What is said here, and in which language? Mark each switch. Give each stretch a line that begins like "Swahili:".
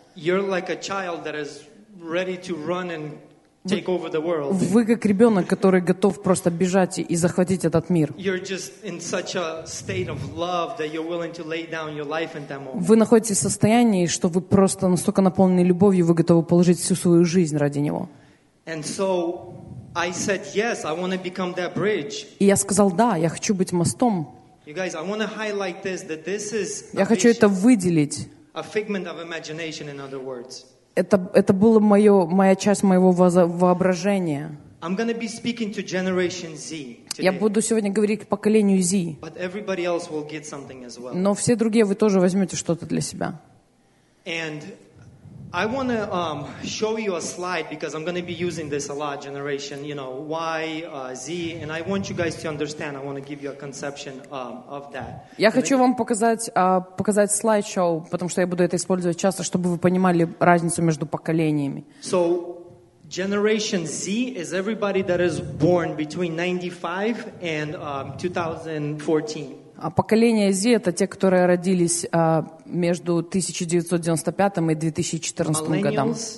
English: you're like a child that is ready to run and take over the world.
Russian: Вы как ребенок, который готов просто бежать и захватить этот мир.
English: You're just in such a state of love that you're willing to lay down your life in that moment.
Russian: Вы находитесь в состоянии, что вы просто настолько наполнены любовью, вы готовы положить всю свою жизнь ради него.
English: And so I said yes, I want to become that bridge.
Russian: И я сказал да, я хочу быть мостом.
English: You guys, I want to highlight this, that this is.
Russian: Я хочу это выделить.
English: A figment of imagination, in other words.
Russian: Это было моя часть моего воображения.
English: I'm gonna be speaking to Generation Z today.
Russian: Я буду сегодня говорить к поколению Z.
English: But everybody else will get something as well.
Russian: Но все другие вы тоже возьмете что-то для себя.
English: And I want to show you a slide because I'm going to be using this a lot, generation, you know, Y, Z, and I want you guys to understand, I want to give you a conception of that.
Russian: Я хочу вам показать слайд-шоу, потому что я буду это использовать часто, чтобы вы понимали разницу между поколениями.
English: So, Generation Z is everybody that is born between 95 and 2014.
Russian: А поколение Z — это те, которые родились между 1995 и 2014 годом.